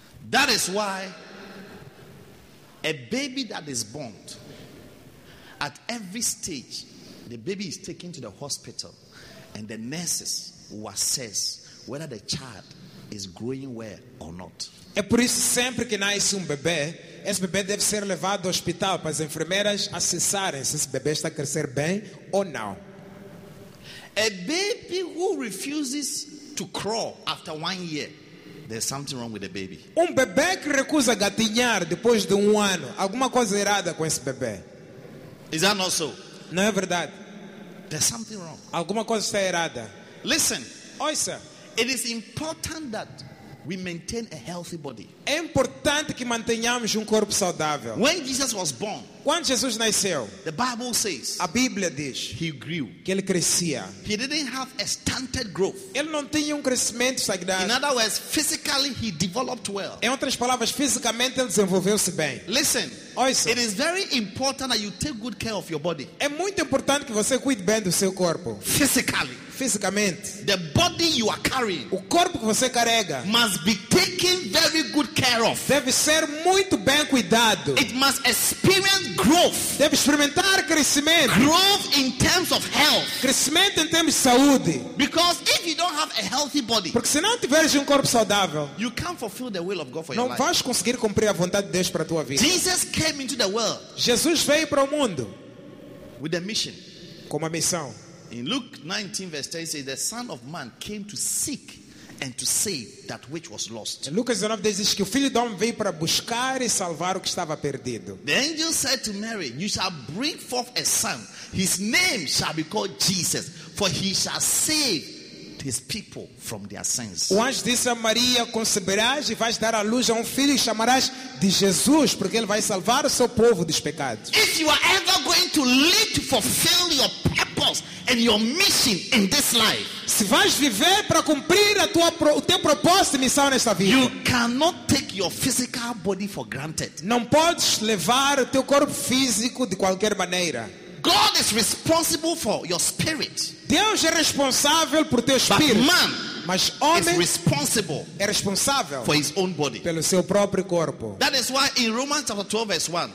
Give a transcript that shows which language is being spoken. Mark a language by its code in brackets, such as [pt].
[en] That is why a baby that is born at every stage, the baby is taken to the hospital and the nurses will assess whether the child is growing well or not. [pt] É por isso sempre que nasce bebê, esse bebê deve ser levado ao hospital para as enfermeiras assessarem se esse bebê está a crescer bem ou não. [en] A baby who refuses to crawl after 1 year, there's something wrong with the baby. [pt] Bebê que recusa gatinhar depois de ano, alguma coisa errada com esse bebê. [en] Is that not so? [pt] Não é verdade. [en] There's something wrong. [pt] Alguma coisa está errada. [en] Listen. [pt] Ouça. [en] It is important that we maintain a healthy body. [pt] É importante que mantenhamos corpo saudável. [en] When Jesus was born, [pt] quando Jesus nasceu, [en] the Bible says, [pt] a Bíblia diz, [en] he grew, [pt] que ele crescia. [en] He didn't have a stunted growth. [pt] Ele não tinha crescimento estagnado. [en] In other words, physically he developed well. [pt] Em outras palavras, fisicamente ele desenvolveu-se bem. [en] Listen, [pt] ouça, [en] it is very important that you take good care of your body. [pt] É muito importante que você cuide bem do seu corpo. [en] Physically. [pt] Fisicamente. [en] The body you are carrying, [pt] o corpo que você carrega, [en] must be taken very good care of. [pt] Deve ser muito bem cuidado. [en] It must experience growth. [pt] Deve experimentar crescimento. [en] Growth in terms of health. [pt] Crescimento em termos de saúde. [en] Because if you don't have a healthy body, [pt] porque se não tiveres corpo saudável, [en] you can't fulfill the will of God for [pt] não [en] your life. [pt] Vais conseguir cumprir a vontade de Deus para a tua vida. [en] Jesus came into the world. [pt] Jesus veio para o mundo [en] with a mission. [pt] Com uma missão. [en] In Luke 19:10 says, the Son of Man came to seek and to save that which was lost. [pt] Lucas 19 diz que o filho do homem veio para buscar e salvar o que estava perdido. [en] The angel said to Mary, "You shall bring forth a son. His name shall be called Jesus, for he shall save his people from their sins." [pt] O anjo disse a Maria, conceberás e vais dar à luz a um filho e chamarás de Jesus, porque ele vai salvar o seu povo dos pecados. [en] If you are ever going to live to fulfill your purpose and your mission in this life, [pt] se vais viver para cumprir a tua, o teu propósito e missão nesta vida, [en] you cannot take your physical body for granted. [pt] Não podes levar o teu corpo físico de qualquer maneira. [en] God is responsible for your spirit. [pt] Deus é responsável por teu espírito. [en] But man, [pt] mas homem, [en] is responsible [pt] é responsável [en] for his own body. [pt] Pelo seu próprio corpo. [en] That is why in Romans chapter 12 verse 1.